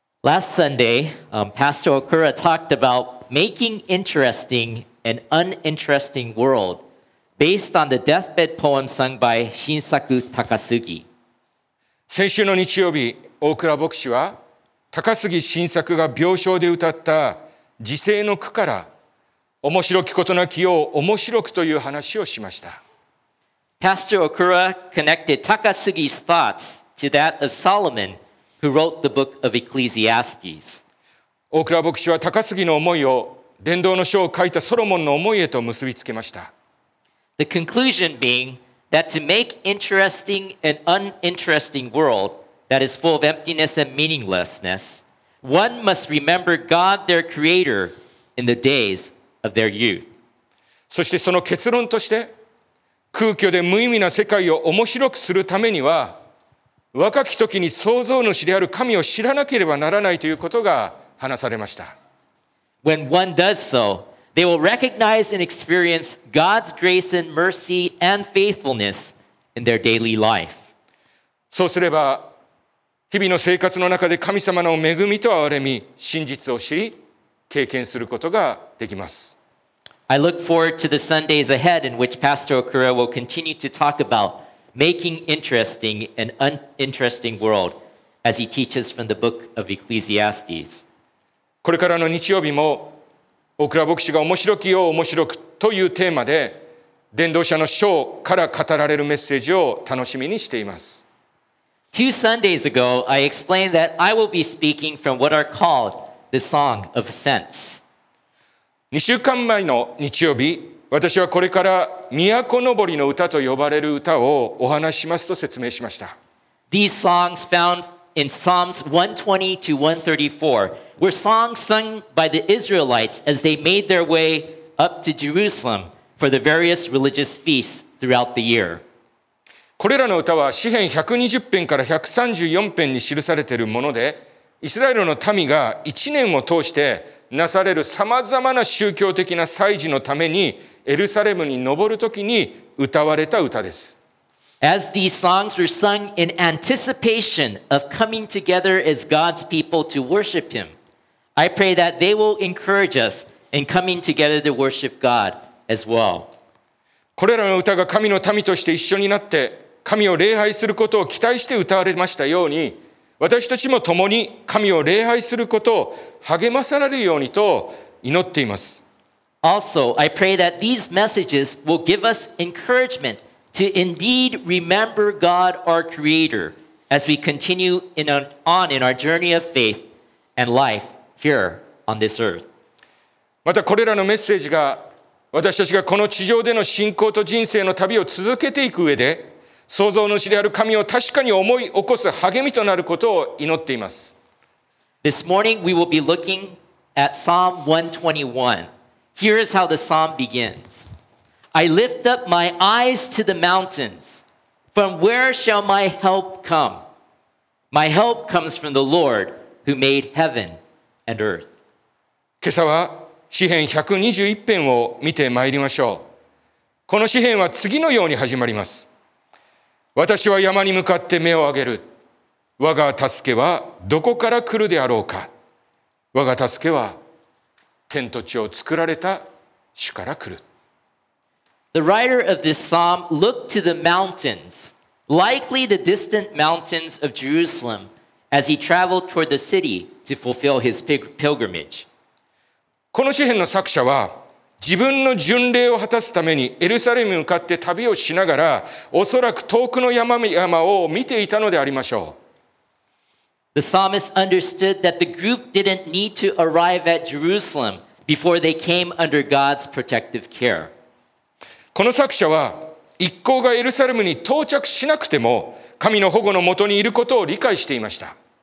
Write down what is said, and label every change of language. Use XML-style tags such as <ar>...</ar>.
<en>Last Sunday, Pastor Okura talked about making interesting an uninteresting world based on the deathbed poem sung by Shinsaku Takasugi.</en> <ja>先週の日曜日、大倉牧師は高杉晋作が病床で歌った時世の句から面白きことなきよう面白くという話をしました。</ja> <en>Pastor Okura connected Takasugi's thoughts to that of Solomon, who wrote the book of Ecclesiastes.</en> <ja>大倉牧師は高杉の思いを伝道の書を書いたソロモンの思いへと結びつけました。</ja> <en>The conclusion being that to make interesting an uninteresting world that is full of emptiness and meaninglessness, one must remember God their creator in the days of their youth.</en> <ja>そしてその結論として、空虚で無意味な世界を面白くするためには、若き時に創造主である神を知らなければならないということが話されました。</ja> <en>When one does so, they will recognize and experience God's grace and mercy and faithfulness in their daily life.</en> <ja>そうすれば、日々の生活の中で神様の恵みと憐れみ、真実を知り、経験することができます。</ja> <en>I look forward to the Sundays ahead in which Pastor Okura will continue to talk about making interesting an uninteresting world as he teaches from the book of Ecclesiastes.</en> <ja>これからの日曜日も、大倉牧師が面白きよう面白くというテーマで、伝道者の書から語られるメッセージを楽しみにしています。</ja> <en>Two Sundays ago, I explained that I will be speaking from what are called the Song of Ascents.</en> <ja>2週間前の日曜日、私はこれから都登りの歌と呼ばれる歌をお話しますと説明しました。</ja> <en>These songs found in Psalms 120 to 134 were songs sung by the Israelites as they made their way up to Jerusalem for the various religious feasts throughout the year.</en> <ja>これらの歌は詩編120編から134編に記されているもので、イスラエルの民が1年を通してなされるさまざまな宗教的な祭事のためにエルサレムに登るときに歌われた歌です。</ja> <en>As these songs were sung in anticipation of coming together as God's people to worship Him, I pray that they will encourage us in coming together to worship God as well.</en> <ja>これらの歌が神の民として一緒になって神を礼拝することを期待して歌われましたように私たちも共に神を礼拝することを励まされるようにと祈っています。</ja> <en>Also, I pray that these messages will give us encouragement to indeed remember God our Creator as we continue in our journey of faith and life here on this earth.</en> <ja>またこれらのメッセージが私たちがこの地上での信仰と人生の旅を続けていく上で、創造主である神を確かに思い起こす励みとなることを祈っています。</ja> <en>This morning we will be looking at Psalm 121. Here is how the psalm begins. I lift up my eyes to the mountains. From where shall my help come? My help comes from the Lord who made heaven and earth.</en> <ja>今朝は詩編121編を見てまいりましょう。この詩編は次のように始まります。私は山に向かって目を上げる。我が助けはどこから来るであろうか。我が助けは天と地を作られた主から来る。</ja> <en>The writer of this psalm looked to the mountains, likely the distant mountains of Jerusalem, as he traveled toward the city to fulfill his pilgrimage.</en> <ja>この詩編の作者は自分の巡礼を果たすためにエルサレムに向かって旅をしながら、おそらく遠くの山々を見ていたのでありましょう。</ja> <en>The psalmist understood that the group didn't need to arrive at Jerusalem before they came under God's protective care.</en> <ja>この作者は一行がエルサレムに到着しなくても神の保護のもとにいることを理解していました。</ja>